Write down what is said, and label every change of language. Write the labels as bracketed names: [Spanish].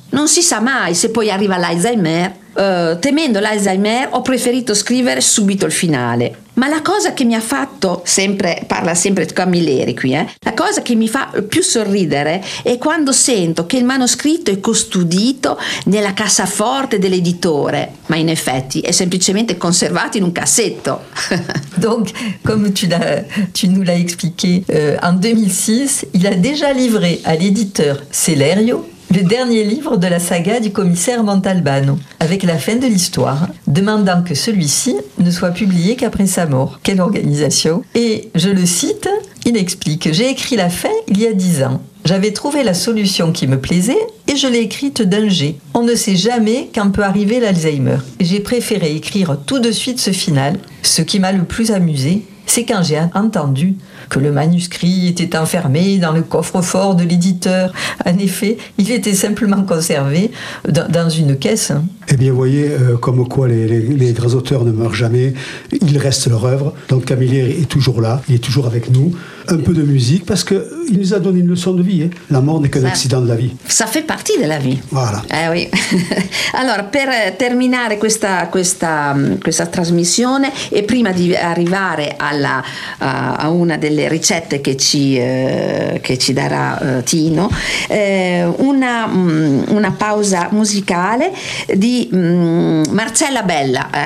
[Italian] Non si sa mai se poi arriva l'Alzheimer. Temendo l'Alzheimer ho preferito scrivere subito il finale. Ma la cosa che mi ha fatto, parla sempre Camilleri qui, la cosa che mi fa più sorridere è quando sento che il manoscritto è custodito nella cassaforte dell'editore, ma in effetti è semplicemente conservato in un cassetto. [French] Donc, [Italian] come [French] tu nous l'hai expliqué, en 2006, il a déjà livré à l'éditeur Sellerio Le dernier livre de la saga du commissaire Montalbano, avec la fin de l'histoire, demandant que celui-ci ne soit publié qu'après sa mort. Quelle organisation ! Et, je le cite, il explique « J'ai écrit la fin il y a 10 ans. J'avais trouvé la solution qui me plaisait et je l'ai écrite d'un jet. On ne sait jamais quand peut arriver l'Alzheimer. J'ai préféré écrire tout de suite ce final. Ce qui m'a le plus amusé, c'est quand j'ai entendu que le manuscrit était enfermé dans le coffre-fort de l'éditeur. En effet, il était simplement conservé dans une caisse. » Eh bien, vous voyez, comme quoi les grands auteurs ne meurent jamais, ils restent leur œuvre. Donc Camilleri est toujours là, il est toujours avec nous. Un peu de musique, parce qu'il nous a donné une leçon de vie. Hein. La mort n'est qu'un accident de la vie. Ça fait partie de la vie. Voilà. Eh oui. [Italian] Allora, per terminare questa trasmissione, e prima di arrivare a una delle ricette che ci darà Tino, una pausa musicale di Marcella Bella.